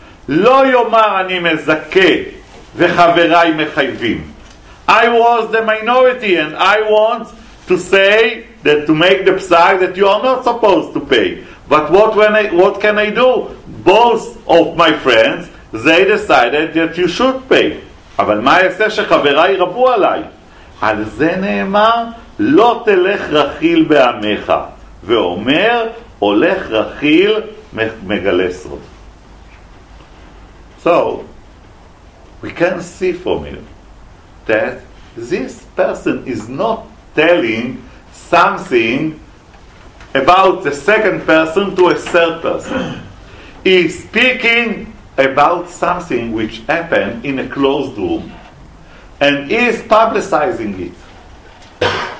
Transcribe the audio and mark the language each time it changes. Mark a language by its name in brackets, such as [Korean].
[Hebrew] Lo yomar ani mezakeh. [English] I was the minority and I want to say that to make the psak that you are not supposed to pay. But what can I do? Both of my friends, they decided that you should pay. [Hebrew] אבל מה יעשה שחבריי רבו עליי? על זה נאמר, לא תלך רחיל בעמך. ואומר, הולך רחיל מגלה סוד. [English] So, we can see from it that this person is not telling something about the second person to a third person. He is speaking about something which happened in a closed room and he is publicizing it.